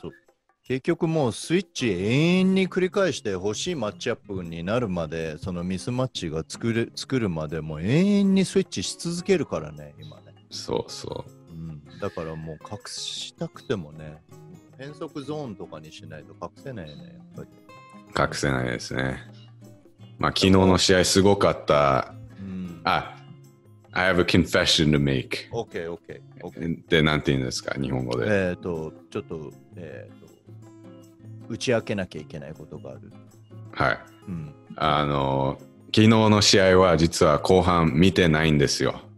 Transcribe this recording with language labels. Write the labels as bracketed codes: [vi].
[ja] そうそう、結局もうスイッチ永遠に繰り返して欲しいマッチアップになるまで、そのミスマッチが作るまでもう永遠にスイッチし続けるからね今ね。そうそう、うん、だからもう隠したくてもね、変速ゾーンとかにしないと隠せないね、やっぱり隠せないですね。まあ、昨日の試合すごかった、うん、 [en] あ、I have a confession to make. OK, OK, OK. [ja] で、なんて言うんですか、日本語で。ちょっと、打ち明けなきゃいけないことがある。はい。うん、昨日の試合は実は後半見てないんですよ。